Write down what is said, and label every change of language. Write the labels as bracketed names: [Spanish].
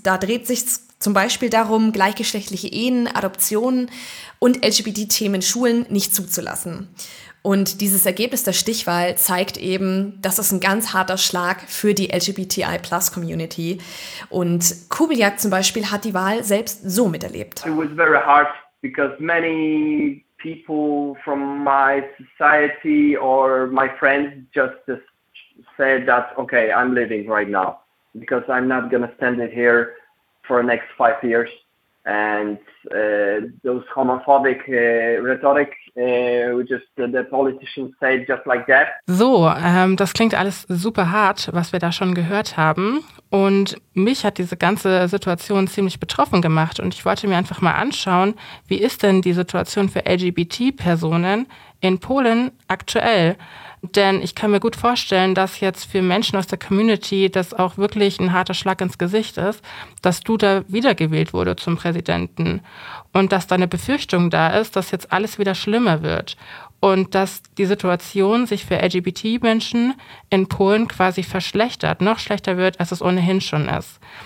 [German] Da dreht sich zum Beispiel darum, gleichgeschlechtliche Ehen, Adoptionen und LGBT-Themen in Schulen nicht zuzulassen. Und dieses Ergebnis der Stichwahl zeigt eben, dass es ein ganz harter Schlag für die LGBTI-Plus-Community. Und Kubiliak zum Beispiel hat die Wahl selbst so miterlebt. [English] It was very hard because many people from my society or my friends just said that, okay, I'm leaving right now because I'm not gonna stand it here for the next 5 years. And those homophobic rhetoric, which is the politicians say just like that. [German] So, das klingt alles super hart, was wir da schon gehört haben. Und mich hat diese ganze Situation ziemlich betroffen gemacht. Und ich wollte mir einfach mal anschauen, wie ist denn die Situation für LGBT-Personen in Polen aktuell? Denn ich kann mir gut vorstellen, dass jetzt für Menschen aus der Community das auch wirklich ein harter Schlag ins Gesicht ist, dass Duda wiedergewählt wurde zum Präsidenten und dass da eine Befürchtung da ist, dass jetzt alles wieder schlimmer wird und dass die Situation sich für LGBT-Menschen in Polen quasi verschlechtert, noch schlechter wird, als es ohnehin schon ist.